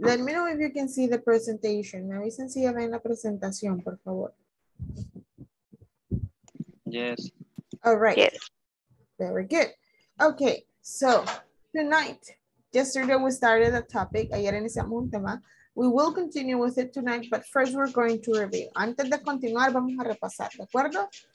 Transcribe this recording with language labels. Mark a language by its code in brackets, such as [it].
[en] Let me know if you can see the presentation. [es] Me avisen si ya ven la presentación, por favor. [en] Yes. All right. Yes. Very good. Okay, so tonight, yesterday we started a topic, [es] ayer iniciamos un tema. [en] We will continue with it tonight, but first we're going to review. [es] Antes de continuar, vamos a repasar, ¿de acuerdo?